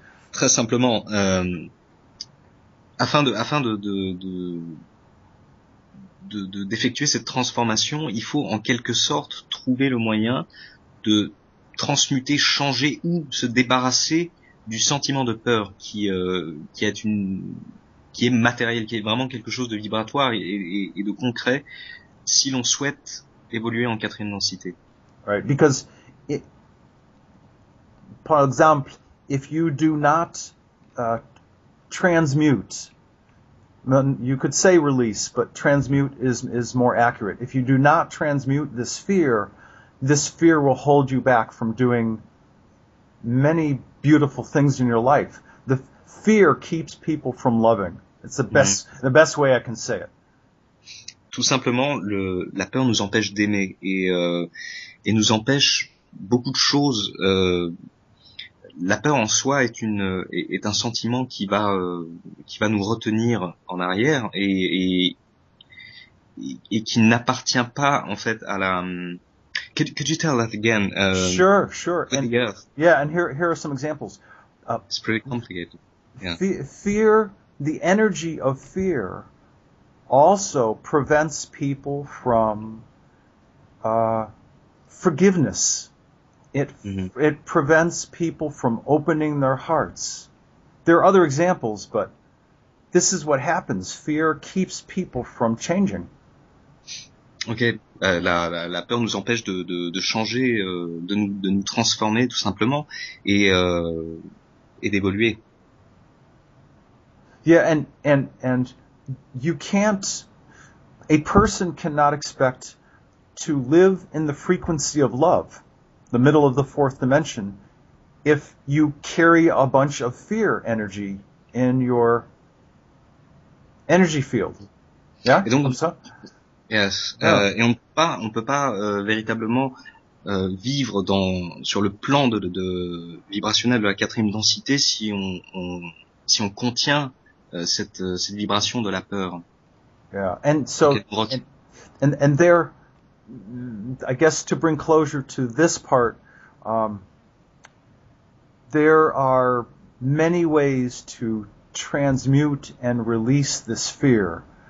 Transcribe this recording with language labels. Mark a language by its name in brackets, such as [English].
[French] Très simplement, afin de d'effectuer cette transformation, il faut en quelque sorte trouver le moyen de transmuter, changer ou se débarrasser du sentiment de peur qui est matériel, qui est vraiment quelque chose de vibratoire et de concret, si l'on souhaite évoluer en quatrième densité. [English] Right, because, [French] par exemple, [English] if you do not transmute, you could say release, but transmute is more accurate. If you do not transmute this fear will hold you back from doing many beautiful things in your life. The fear keeps people from loving. It's the best way I can say it. [French] Tout simplement, la peur nous empêche d'aimer et nous empêche beaucoup de choses. La peur en soi est un sentiment qui va nous retenir en arrière et qui n'appartient pas en fait à la. [English] Could you tell that again? Sure. And, yeah, and here are some examples. It's pretty complicated. Yeah. Fear. The energy of fear also prevents people from forgiveness. It prevents people from opening their hearts. There are other examples, but this is what happens. Fear keeps people from changing. [French] Okay, la peur nous empêche de changer, de nous transformer tout simplement et d'évoluer. [English] Yeah, and you can't, a person cannot expect to live in the frequency of love. the middle of the fourth dimension, if you carry a bunch of fear energy in your energy field. Yeah? [French] Et donc, comme ça? [English] Yes. [French] Et on peut pas véritablement vivre dans sur le plan de vibrationnel de la quatrième densité si on contient cette vibration de la peur. [English] Yeah. And so and there, I guess, to bring closure to this part, there are many ways to transmute and release this fear.